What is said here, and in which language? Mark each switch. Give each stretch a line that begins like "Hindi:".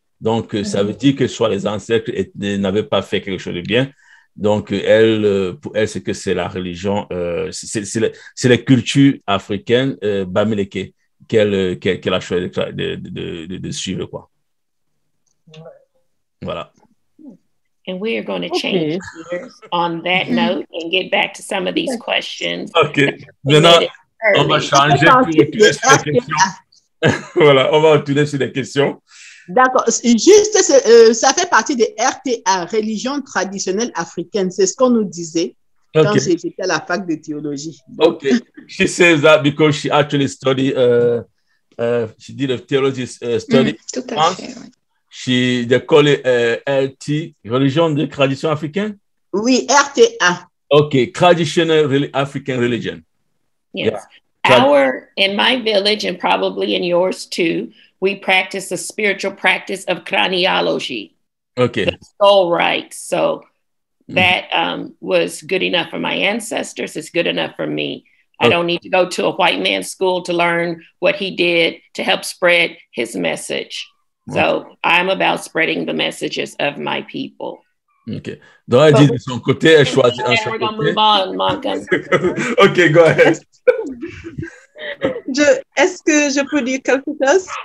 French: Donc, ça veut dire que soit les ancêtres n'avaient pas fait quelque chose de bien. Donc, elle, pour elle, c'est que c'est la religion, c'est la culture africaine, Bamileke, qu'elle a choisi de suivre, quoi. Voilà.
English: And we are going to change gears on that note and get back to some of these questions.
French: OK. Maintenant, on va changer sur les questions. Voilà, on va retourner sur les questions. D'accord. Juste, ça fait partie des RTA, religion traditionnelle africaine. C'est ce qu'on nous disait quand j'étais à la fac de théologie. OK.
English: She says that because she actually studied, she did a theology study.
French: Tout à fait, oui.
English: They call it RT,
French: religion de tradition africaine? Oui, RTA.
English: OK, traditional African religion. Yes. Yeah. In my village and probably in yours too, we practice the spiritual practice of craniology. Okay. The soul rites. So that was good enough for my ancestors. It's good enough for me. I don't need to go to a white man's school to learn what he did to help spread his message. Okay. So I'm about spreading the messages of my people. Okay.
French: Donc, elle dit de son côté, elle choisit un
English: We're going to move on, Monica. Okay, go ahead.
French: est-ce que je peux dire quelque chose?